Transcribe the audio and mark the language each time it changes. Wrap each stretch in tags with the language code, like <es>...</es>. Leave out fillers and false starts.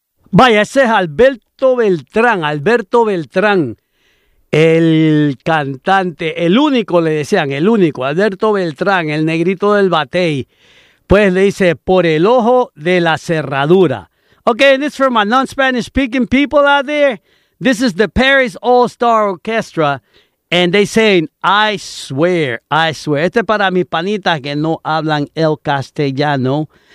<es>Vaya, ese es Alberto Beltrán, el cantante, el único, le decían, el único, Alberto Beltrán, el negrito del Batey, pues le dice, por el ojo de la cerradura.</es> <en>Okay, and it's from my non-Spanish speaking people out there. This is the Paris All-Star Orchestra, and they saying, I swear.</en> <es>Este es para mis panitas que no hablan el castellano.</es>